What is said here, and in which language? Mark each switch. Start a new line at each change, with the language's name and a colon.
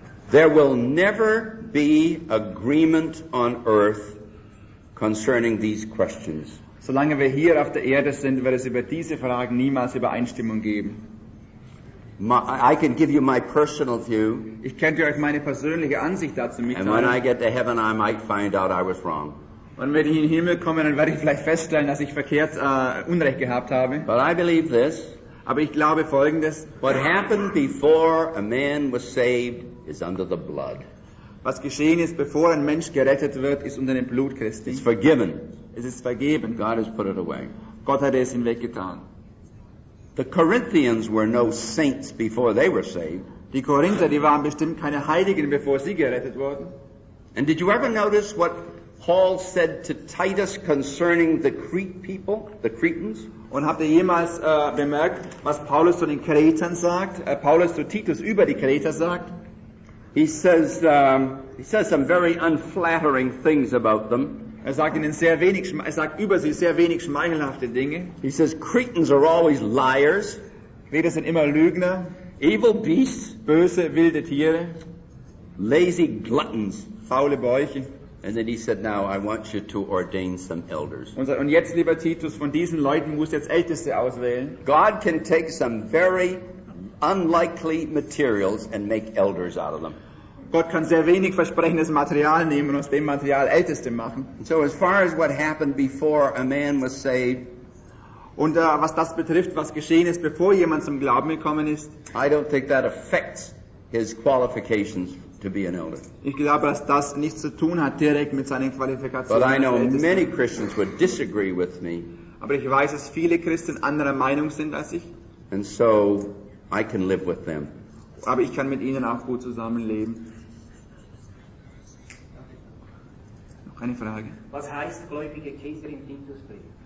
English: There will never be agreement on earth concerning these questions.
German: Solange wir hier auf der Erde sind, wird es über diese Fragen niemals Übereinstimmung geben.
English: I can give you my personal view.
German: Ich könnte euch meine persönliche Ansicht dazu mitteilen.
English: And when I get to heaven, I might find out I was wrong.
German: Und wenn ich in den Himmel komme, dann werde ich vielleicht feststellen, dass ich verkehrt Unrecht gehabt habe.
English: But I believe this.
German: Aber ich glaube Folgendes.
English: What happened before a man was saved is under the blood.
German: Was geschehen ist, bevor ein Mensch gerettet wird, ist unter dem Blut Christi.
English: It's forgiven.
German: Es ist vergeben.
English: God has put it away.
German: Gott hat es hinweggetan.
English: The Corinthians were no saints before they were saved.
German: Die Korinther, die waren bestimmt keine Heiligen, bevor sie gerettet wurden.
English: And did you ever notice what Paul said to Titus concerning the Crete people, the Cretans?
German: Und habt ihr jemals bemerkt, was Paulus zu den Kretern sagt? Paulus zu Titus über die Kreter sagt?
English: He says some very unflattering things about them.
German: Er sagt ihnen sehr wenig, er sagt über sie sehr wenig schmeichelhafte Dinge.
English: He says Cretans are always liars.
German: Kreter sind immer Lügner.
English: Evil beasts.
German: Böse wilde Tiere.
English: Lazy gluttons.
German: Faule Bäuche.
English: And then he said, now I want you to ordain some elders.
German: Und jetzt, lieber Titus, von diesen Leuten musst du jetzt Älteste auswählen.
English: God can take some very unlikely materials and make elders out of them.
German: Gott kann sehr wenig versprechendes Material nehmen und aus dem Material Älteste machen.
English: So as far as what happened before a man was saved,
German: und was das betrifft, was geschehen ist, bevor jemand zum Glauben gekommen ist,
English: I don't think that affects his qualifications to be an elder.
German: Ich glaube, dass das nichts zu tun hat direkt mit seinen Qualifikationen.
English: But I know many Christians would disagree with me.
German: Aber ich weiß, dass viele Christen anderer Meinung sind als ich.
English: And so I can live with them.
German: Aber ich kann mit ihnen auch gut zusammenleben. Noch eine Frage. Was heißt gläubige Kinder im Titusbrief?